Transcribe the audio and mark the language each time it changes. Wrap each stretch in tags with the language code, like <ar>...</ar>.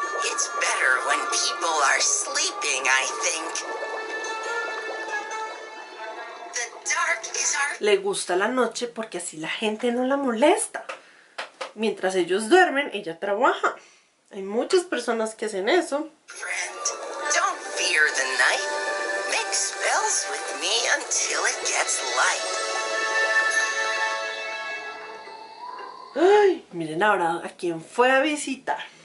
<en>It's better when people are sleeping, I think. The dark is our...</en> <es>Le gusta la noche porque así la gente no la molesta. Mientras ellos duermen, ella trabaja. Hay muchas personas que hacen eso.</es> <en>Friend, don't fear the night. Make spells with me until it gets light.</en> <es>Ay, miren ahora a quién fue a visitar.</es>